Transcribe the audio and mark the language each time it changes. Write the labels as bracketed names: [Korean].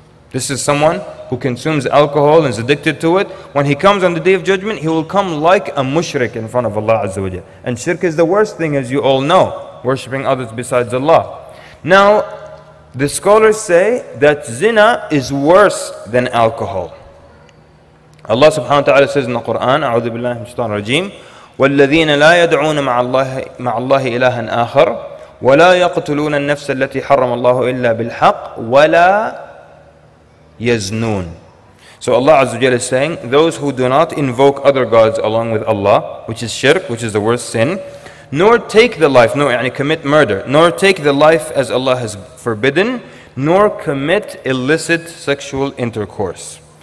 [English] This is someone who consumes alcohol and is addicted to it. When he comes on the Day of Judgment, he will come like a mushrik in front of Allah Azza wa Jal. And shirk is the worst thing, as you all know, worshipping others besides Allah. Now, the scholars say that zina is worse than alcohol. Allah subhanahu wa ta'ala says in the Quran, [Arabic] أعوذ بالله من الشيطان الرجيم, وَالَّذِينَ لَا يَدْعُونَ مَعَ اللَّهِ إِلَهًا آخَرَ وَلَا يَقْتُلُونَ النَّفْسَ الَّتِي حَرَّمَ اللَّهُ إِلَّا بِالْحَقِّ وَلَا يَزْنُونَ. [English] So Allah Azza wa Jalla is saying, those who do not invoke other gods along with Allah, which is shirk, which is the worst sin, nor take the life, commit murder, nor take the life as Allah has forbidden, nor commit illicit sexual intercourse.